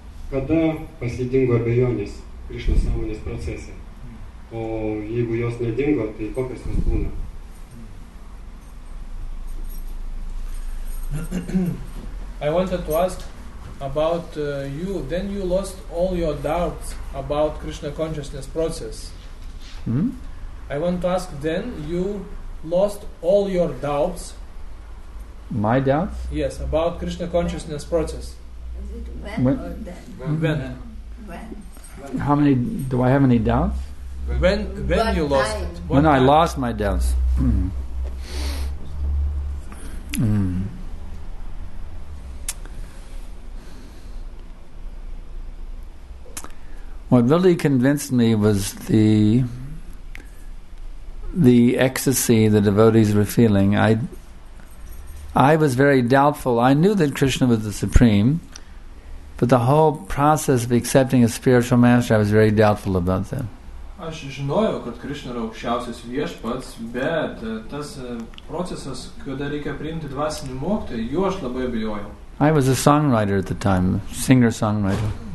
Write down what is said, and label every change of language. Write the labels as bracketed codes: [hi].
[lt] Kada pasidingo abejonės Krišnos sąmonės procese? O jeigu jos nedingo, tai kokios jos būna? [en] I wanted to ask about you, then you lost all your doubts about Krishna consciousness process. Mm-hmm. I want to ask, then you lost all your doubts. My doubts? Yes, about Krishna consciousness process. Is it when? When? How many, do I have any doubts? When you lost it? When I lost my doubts. What really convinced me was the ecstasy the devotees were feeling. I was very doubtful. I knew that Krishna was the Supreme, but the whole process of accepting a spiritual master, I was very doubtful about that. [lt] Aš žinojau, kad Krishna yra aukščiausias viešpats, bet tas procesas, kada reikia priimti dvasinį mokytoją, juo aš labai abejojau. [en] I was a songwriter at the time, singer-songwriter.